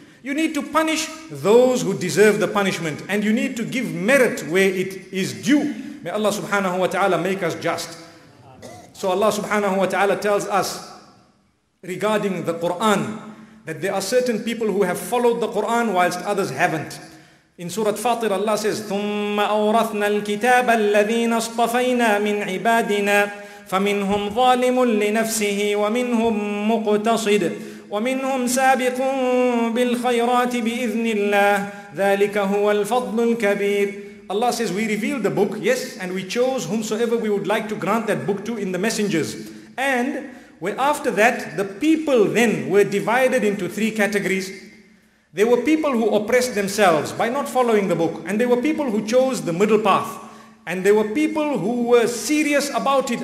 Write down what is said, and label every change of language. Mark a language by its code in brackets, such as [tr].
[en] You need to punish those who deserve the punishment, and you need to give merit where it is due. May Allah subhanahu wa ta'ala make us just. So Allah subhanahu wa ta'ala tells us regarding the Qur'an that there are certain people who have followed the Qur'an whilst others haven't. In Surah Fatir, Allah says, [ar] ثُمَّ أَوْرَثْنَا الْكِتَابَ الَّذِينَ اصْطَفَيْنَا مِنْ عِبَادِنَا فَمِنْهُمْ ظَالِمٌ لِنَفْسِهِ وَمِنْهُمْ مُقْتَصِدٌ وَمِنْهُمْ سَابِقٌ بِالْخَيْرَاتِ بِإِذْنِ اللَّهِ ذَلِكَ هُوَ الْفَضْلُ الْكَبِيرُ. [en] Allah says, we revealed the book, yes, and we chose whomsoever we would like to grant that book to in the messengers. And after that, the people then were divided into three categories. There were people who oppressed themselves by not following the book, and there were people who chose the middle path, and there were people who were serious about it.